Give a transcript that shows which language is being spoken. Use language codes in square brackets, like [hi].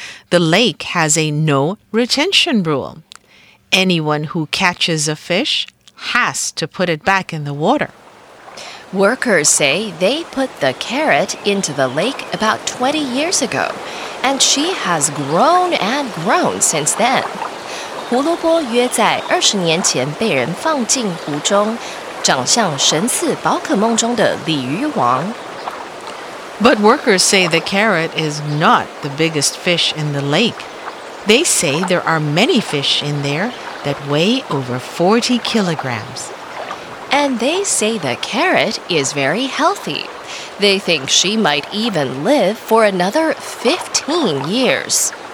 [en] The lake has a no retention rule. Anyone who catches a fish has to put it back in the water. Workers say they put the carrot into the lake about 20 years ago, and she has grown and grown since then. [zh] 胡萝卜约在二十年前被人放进湖中，长相神似宝可梦中的鲤鱼王。 [en] But workers say the carrot is not the biggest fish in the lake. They say there are many fish in there that weigh over 40 kilograms. And they say the carrot is very healthy. They think she might even live for another 15 years.